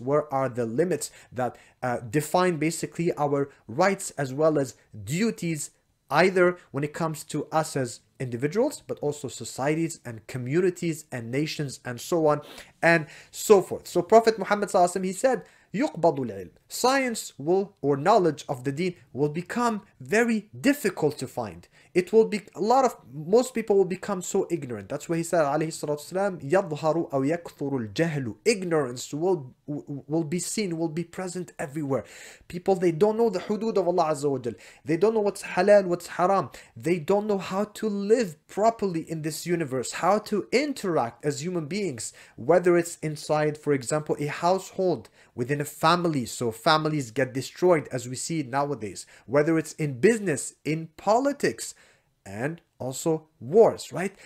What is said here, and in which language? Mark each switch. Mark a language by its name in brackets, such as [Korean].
[English] Where are the limits that define basically our rights as well as duties, either when it comes to us as individuals, but also societies and communities and nations and so on and so forth. So Prophet Muhammad sallallahu alayhi wa sallam, he said, [Arabic] يُقْبَضُ الْعِلْمِ. [English] Science will, or knowledge of the deen, will become very difficult to find. It will be, most people will become so ignorant. That's why he said, [Arabic] عليه الصلاة والسلام, يَظْهَرُ أَوْ يَكْثُرُ الْجَهْلُ. [English] Ignorance will be seen, will be present everywhere. People, they don't know the hudud of Allah Azza wa Jal. They don't know what's halal, what's haram. They don't know how to live properly in this universe, how to interact as human beings, whether it's inside, for example, a household, within a family, so families get destroyed as we see nowadays, whether it's in business, in politics, and also wars, right?